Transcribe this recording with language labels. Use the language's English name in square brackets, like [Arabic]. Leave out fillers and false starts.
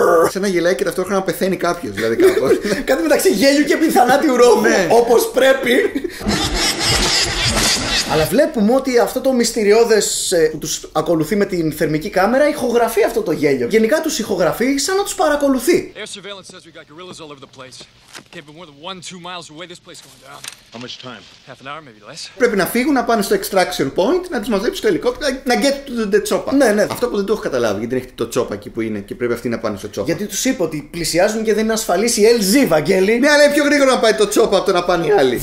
[Greek] Σε ένα γελάει και ταυτόχρονα πεθαίνει κάποιος, δηλαδή κάπως. Κάτι μεταξύ γέλιου και πιθανάτιου ρόμου, όπως πρέπει. Αλλά βλέπουμε ότι αυτό το μυστηριώδες που τους ακολουθεί με την θερμική κάμερα ηχογραφεί αυτό το γέλιο. Γενικά τους ηχογραφεί σαν να τους παρακολουθεί. [English] Air surveillance says we got gorillas all over the place. Can't be more than 1-2 miles away this place going down. How much time? Half an hour, maybe less. [Greek] Πρέπει να φύγουν, να πάνε στο extraction point, να τους μαζέψουν το ελικόπτερο, να [English] get to the chopper. [Greek] Ναι, ναι. Αυτό που δεν το έχω καταλάβει, γιατί έχει το chopper εκεί που είναι και πρέπει αυτοί να πάνε στο chopper. Γιατί τους είπε ότι πλησιάζουν και δεν είναι ασφαλής η LZ, Βαγγέλη. Ναι, αλλά είναι πιο γρήγορο να πάει το chopper από το να πάνε οι άλλοι.